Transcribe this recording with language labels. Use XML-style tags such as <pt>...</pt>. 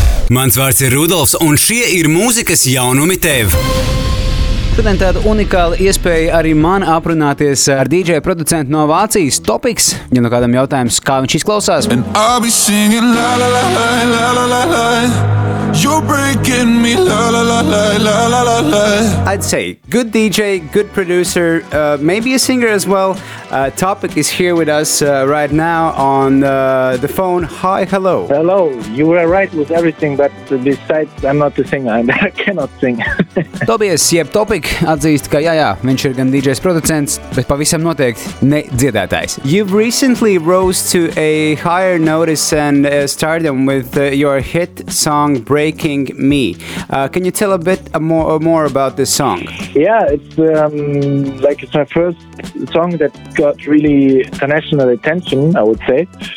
<lv>Mans vārds ir Rudolfs, un šie ir mūzikas jaunumi tev. Šodien tāda unikāla iespēja arī man aprunāties ar DJ producentu no Vācijas, Topix. Ja no kādam jautājums, kā viņš izklausās?</lv> <en>And I'll be singing la la la la la la la la You're breaking me la la la la la la la la I'd say good DJ, good producer, maybe a singer as well. Topix is here with us right now on the phone. Hi, hello. Hello, you were right with everything, but besides, I'm not a singer and I cannot sing.</en> <lv>Tobias, jeb Topix atzīst, ka jā, viņš ir gan DJs producents, bet pavisam noteikti ne dziedētājs.</lv> <en>You've recently rose to a higher notice and stardom with your hit song Breaking Me. Can you tell a bit more about this song? Yeah, it's my first song that got really international attention, I would say.</en>